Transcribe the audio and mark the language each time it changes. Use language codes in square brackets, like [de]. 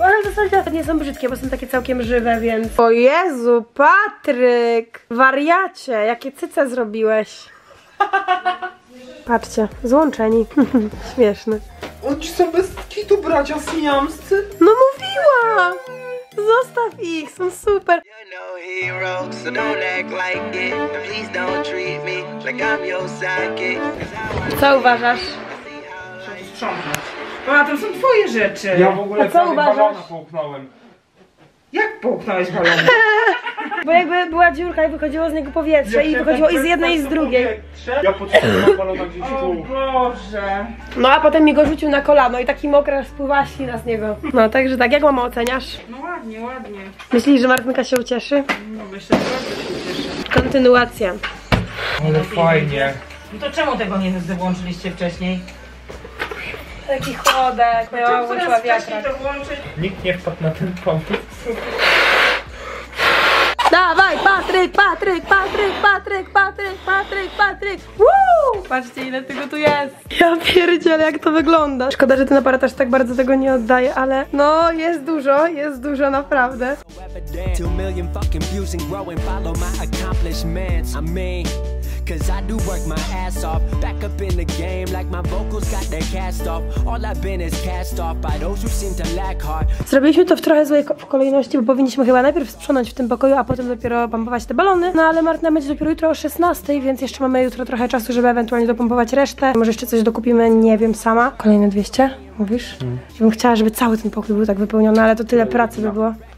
[pl] Ale w zasadzie nie są brzydkie, bo są takie całkiem żywe, więc... O Jezu, Patryk! Wariacie, jakie cyce zrobiłeś! Patrzcie, złączeni. Śmieszne. Oni są bez kitu, bracia siamscy. No mówiłam! Zostaw ich, są super. [en] You're no hero, so don't act like it. Please don't treat me like I'm your psychic. [pl] Co uważasz? Trzeba sprzątać. A to są twoje rzeczy. Ja w ogóle cały balona połknąłem. Jak połknąłeś balona? Bo jakby była dziurka i wychodziło z niego powietrze i wychodziło i z jednej i z drugiej. Ja potrzebowałem balona gdzieś tu. O Boże. No a potem mi go rzucił na kolano i taki mokra spływa ślina z niego. No także tak, jak mamo oceniasz? No ładnie, ładnie. Myślisz, że Martynka się ucieszy? No myślę, że bardzo się ucieszy. Kontynuacja. Ale fajnie. No to czemu tego nie wyłączyliście wcześniej? Taki chodek, miała uczyła wiatrak. Nikt nie wpadł na ten pomysł. Dawaj, Patryk! Woo! Patrzcie, ile tego tu jest! Ja pierdzielę, jak to wygląda! Szkoda, że ten aparatarz tak bardzo tego nie oddaje, ale no, jest dużo naprawdę. [en] Two million fucking views and growing, follow my accomplishments. I mean, Cause I do work my ass off. Back up in the game like my vocals got their cast off. All I've been is cast off by those who seem to lack heart. [pl] Zrobiliśmy to w trochę złej kolejności, bo powinniśmy chyba najpierw sprzątać w tym pokoju, a potem dopiero pompować te balony. No ale Martyna będzie dopiero jutro o 16, więc jeszcze mamy jutro trochę czasu, żeby ewentualnie dopompować resztę. Może jeszcze coś dokupimy, nie wiem, sama. Kolejne 200, mówisz? Hmm. Ja bym chciała, żeby cały ten pokój był tak wypełniony, ale to tyle pracy by było.